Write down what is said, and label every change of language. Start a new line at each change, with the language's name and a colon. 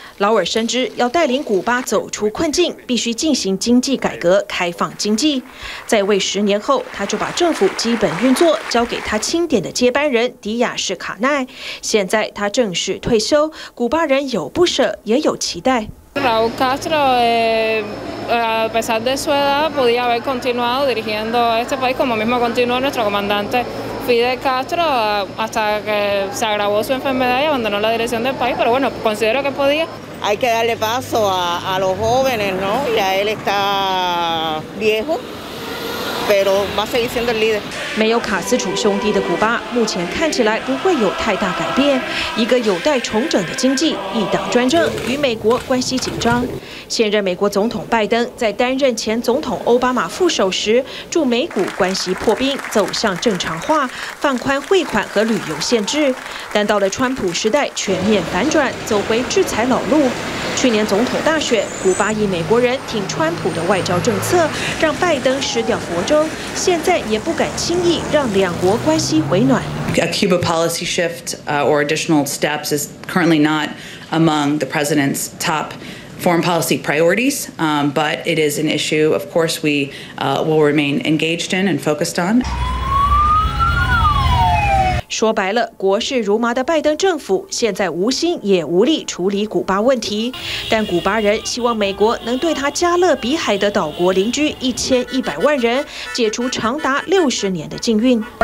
Chinese: 劳尔深知要带领古巴走出困境，必须进行经济改革，开放经济。在位10年后，他就把政府基本运作交给他钦点的接班人迪亚士卡奈。现在他正式退休，古巴人有不舍，也有期待。
Spanish: Raúl Castro, a pesar de su edad, podía haber continuado dirigiendo este país como mismo continuó nuestro comandante Fidel Castro hasta que se agravó su enfermedad y abandonó la dirección del país, pero bueno, considero que podía. Hay que darle paso a los jóvenes, ¿no? Ya él está viejo.
Chinese: 没有卡斯楚兄弟的古巴目前看起来不会有太大改变，一个有待重整的经济，一党专政与美国关系紧张。现任美国总统拜登在担任前总统奥巴马副手时驻美古关系破冰走向正常化，放宽汇款和旅游限制，但到了川普时代全面反转，走回制裁老路。去年总统大选，古巴裔美国人挺川普的外交政策让拜登失掉佛州，现在也不敢轻易让两国关系回暖。
English: A Cuba policy shift or additional steps is currently not among the president's top foreign policy priorities, but it is an issue of course we will remain engaged in and focused on.
Chinese: 说白了，国势如麻的拜登政府现在无心也无力处理古巴问题，但古巴人希望美国能对他加勒比海的岛国邻居1100万人解除长达60年的禁运。